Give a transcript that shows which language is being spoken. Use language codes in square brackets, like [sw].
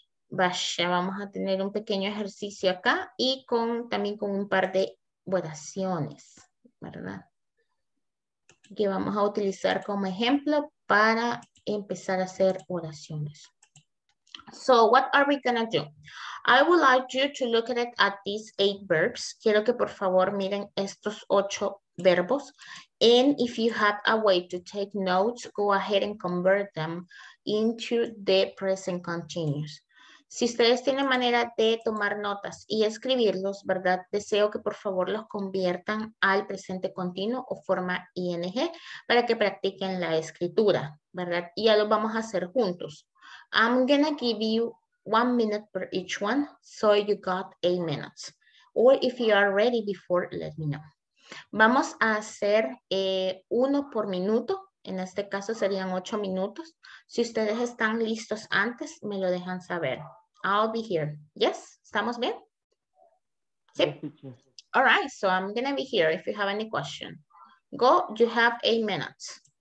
[es] Vaya, vamos a tener un pequeño ejercicio acá y con también con un par de oraciones, ¿verdad? Que vamos a utilizar como ejemplo para empezar a hacer oraciones. [en] So, what are we gonna do? I would like you to look at these 8 verbs. [es] Quiero que por favor miren estos 8 verbos. [en] And if you have a way to take notes, go ahead and convert them into the present continuous. [es] Si ustedes tienen manera de tomar notas y escribirlos, ¿verdad? Deseo que por favor los conviertan al presente continuo o forma ing para que practiquen la escritura, ¿verdad? Y ya lo vamos a hacer juntos. [en] I'm gonna give you 1 minute per each one, so you got 8 minutes. Or if you are ready before, let me know. [es] Vamos a hacer uno por minuto. En este caso serían 8 minutos. Si ustedes están listos antes, me lo dejan saber. [en] I'll be here. Yes, [es] ¿estamos bien? Sí. [en] All right, so I'm gonna be here if you have any question. Go, you have 8 minutes.